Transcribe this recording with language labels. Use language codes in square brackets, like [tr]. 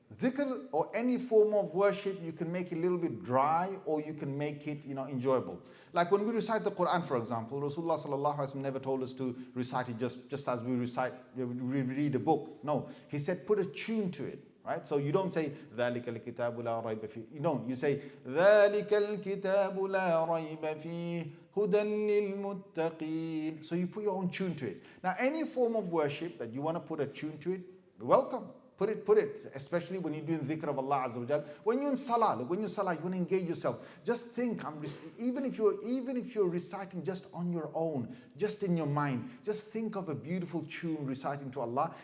[en] Dhikr or any form of worship, you can make it a little bit dry or you can make it, you know, enjoyable. Like when we recite the Quran, for example, Rasulullah sallallahu alaihi wasallam never told us to recite it just as we recite, we read a book. No, he said put a tune to it. Right, so you don't say [ar] ذَلِكَ الْكِتَابُ لَا رَيْبَ فِيهِ. [en] No, you say [ar] ذَلِكَ الْكِتَابُ لَا رَيْبَ فِيهِ هُدًى لِلْمُتَّقِينَ. [en] So you put your own tune to it. Now, any form of worship that you want to put a tune to it, welcome. Put it, especially when you're doing dhikr of Allah Azza wa Jal. When you're in salah, you want to engage yourself. Just think, even if you're reciting just on your own, just in your mind, just think of a beautiful tune reciting to Allah.